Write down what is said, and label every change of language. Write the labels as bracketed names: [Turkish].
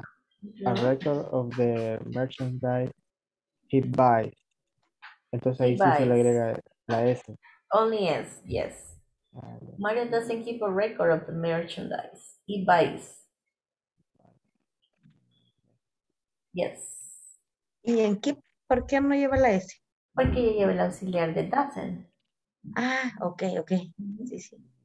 [English] Uh-huh. A record of the merchandise he buys. [Spanish] Entonces ahí he sí buys. Se le agrega la S. [English] Only S, yes. Mario doesn't keep a record of the merchandise. He buys. Yes. [Spanish] ¿Y en qué? ¿Por qué no lleva la S? Porque ya lleva el auxiliar de doesn't. Ah, okay, okay. Sí, sí.